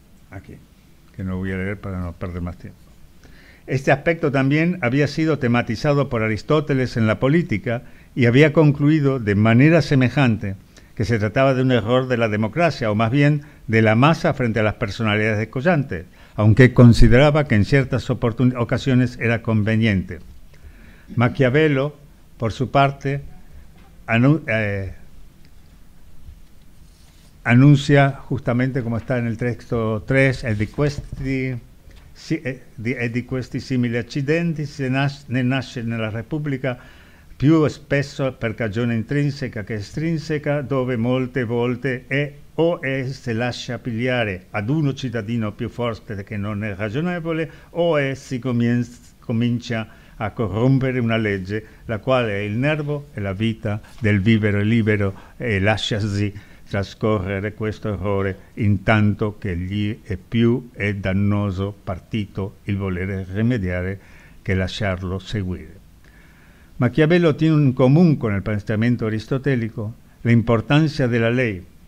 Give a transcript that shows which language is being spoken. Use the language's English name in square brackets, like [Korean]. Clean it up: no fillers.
[Spanish] Aquí, que no voy a leer para no perder más tiempo. Este aspecto también había sido tematizado por Aristóteles en la Política y había concluido de manera semejante que se trataba de un error de la democracia, o más bien de la masa frente a las personalidades descollantes, aunque consideraba que en ciertas ocasiones era conveniente. Maquiavelo, por su parte, anuncia justamente, como está en el texto 3, [Italian] «Di questi simili accidenti ne nasce nella Repubblica più spesso per cagione intrinseca che estrinseca, dove molte volte è se lascia pigliare ad uno cittadino più forte che non è ragionevole, o è si comincia a corrompere una legge, la quale è il nervo e la vita del vivere libero, e lasciasi trascorrere questo errore intanto che gli è più è dannoso partito il volere rimediare che lasciarlo seguire». [Spanish] Maquiavelo tiene en común con el pensamiento aristotélico la importancia de la ley.